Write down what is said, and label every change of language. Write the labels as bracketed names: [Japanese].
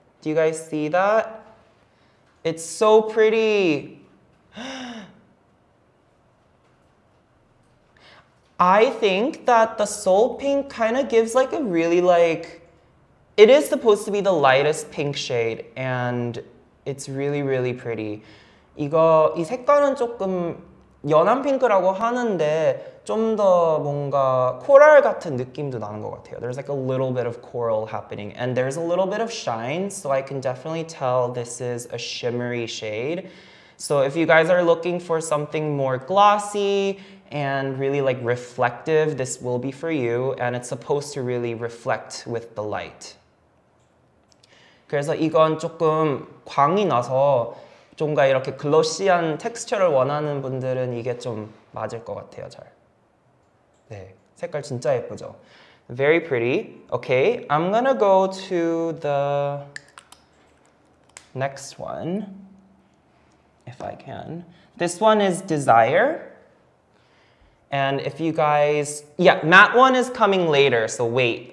[English] Do you guys see that? It's so pretty. I think that the Soul Pink kind of gives like a really like... It is supposed to be the lightest pink shade, and it's really, really pretty. [Korean] 이거, 이 색깔은 조금 연한 핑크라고 하는데 좀 더 뭔가 코랄 같은 느낌도 나는 것 같아요. [English] There's like a little bit of coral happening, and there's a little bit of shine, so I can definitely tell this is a shimmery shade. So if you guys are looking for something more glossy and really like reflective, this will be for you, and it's supposed to really reflect with the light. [Korean] 그래서 이건 조금 광이 나서 좀가 이렇게 글로시한 텍스처를 원하는 분들은 이게 좀 맞을 것 같아요, 잘. 네, 색깔 진짜 예쁘죠? Very pretty. [English] Okay, I'm gonna go to the next one, if I can. This one is Desire. And if you guys, yeah, matte one is coming later, so wait.